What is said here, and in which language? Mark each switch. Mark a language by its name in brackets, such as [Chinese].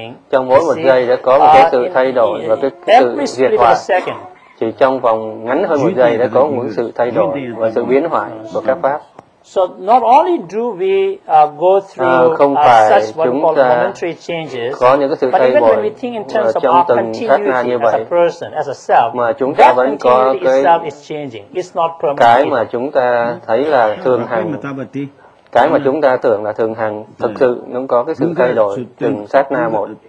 [Vietnamese] Trong mỗi một giây đã có một cái sự thay đổi và cái sự diệt hóa. Chỉ trong vòng ngắn hơn một giây đã có một sự thay đổi và sự biến hoại của các pháp. [English] So not only do we go through such what we call momentary changes, [Vietnamese] có những cái sự thay đổi trong từng sát na như vậy, mà chúng ta vẫn có cái mà chúng ta thấy là thường hằng, cái mà chúng ta tưởng là thường hằng, thực sự nó có cái sự thay đổi từng sát na một.